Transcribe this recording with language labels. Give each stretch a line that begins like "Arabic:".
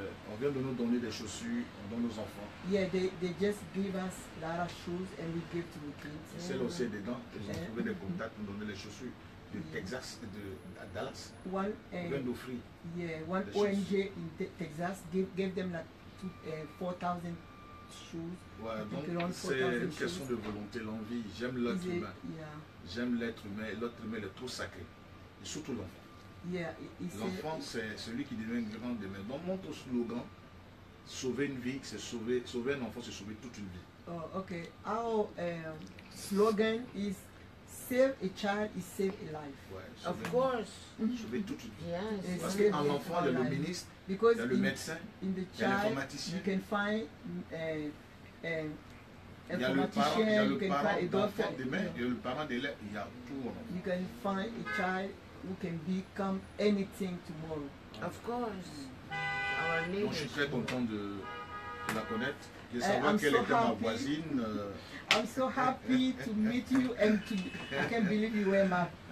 French: On vient de nous donner des chaussures, on donne aux enfants.
English: Yeah, they just give us a lot of shoes and we give to the kids.
French: C'est là aussi dedans, ils ont trouvé des contacts pour donner les chaussures de Texas, de Dallas.
English: One
French: vient d'offrir.
English: Yeah, one ONG in Texas gave them like 4,000 shoes.
French: Ouais, donc c'est une question de volonté, l'envie. J'aime l'être humain. J'aime l'être humain. L'être humain est trop sacré. Et surtout l'enfant. L'enfant, c'est celui qui devient grand demain. Donc mon slogan, sauver une vie, c'est sauver un enfant, c'est sauver toute une vie.
English: Oh, ok. Our slogan is save a child, is save a life. Of course.
French: Sauver toute une vie. Parce qu'un enfant, il y a le ministre, il y a le médecin, il y a l'informaticien.
English: You can find
French: il y a le parent d'élève, il y a tout.
English: You can find a child who can become anything tomorrow. Of course.
French: Donc, je suis très content de la connaître, de savoir quelle
English: so
French: était ma voisine.
English: I'm so happy to meet you and to I can't believe you were my